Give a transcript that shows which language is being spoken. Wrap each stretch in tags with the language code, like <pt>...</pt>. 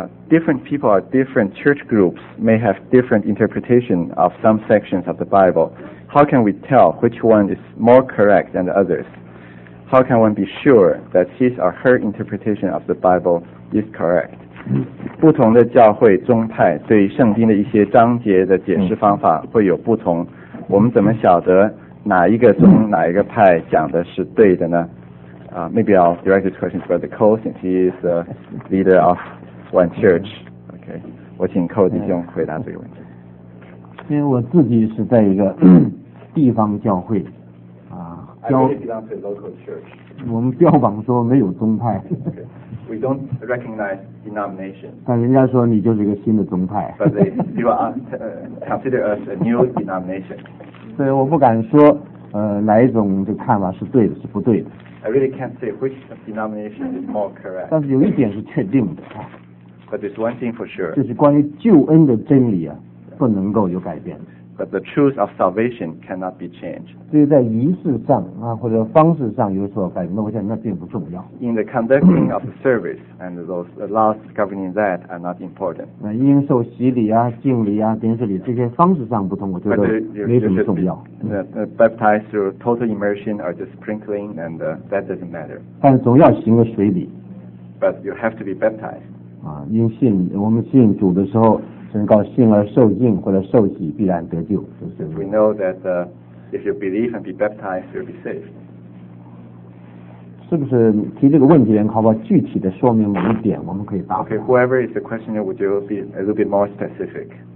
<en>Different people or different church groups may have different interpretation of some sections of the Bible. How can we tell which one is more correct than the others? How can one be sure that his or her interpretation of the Bible is correct?</en> <zh>不同的教会宗派对圣经的一些章节的解释方法会有不同。我们怎么晓得哪一个宗哪一个派讲的是对的呢？</zh> <en>Maybe I'll direct this question to Brother Cole, since he is the leader of one church.</en> <zh>Okay, 我请 Cole 弟兄回答这个问题。因为我自己是在一个地方教会我们标榜说没有宗派。</zh> <en>Okay. We don't recognize denominations.</en> <zh>但人家说你就是一个新的宗派。</zh> <en>But you are consider us a new denomination.</en> <zh>所以我不敢说哪一种就看法是对的，是不对的。</zh> <en>I really can't say which denomination is more correct.</en> <zh>但是有一点是确定的啊。</zh> <en>But it's one thing for sure.</en> <zh>就是关于救恩的真理啊，不能够有改变。</zh> <en>But the truth of salvation cannot be changed.</en> <zh>至于在仪式上啊，或者方式上有所改变，那我想那并不重要。</zh> <en>In the conducting of the service and those laws governing that are not important.</en> <zh>那应受洗礼啊、敬礼啊、顶礼这些方式上不同，我觉得没什么重要。</zh> <en>The baptized through total immersion or just sprinkling, and that doesn't matter.</en> <zh>但总要行个水礼。</zh> <en>But you have to be baptized.</en> <zh>啊，因信我们信主的时候。宣告信而受浸或者受洗必然得救。</zh> <en>We know that if you believe and be baptized, you'll be saved.</en> <zh>是不是提这个问题的人，好不好具体的说明某一点，我们可以答复。</zh> <en>Okay, whoever is the questioner, would you be a little bit more specific?</en>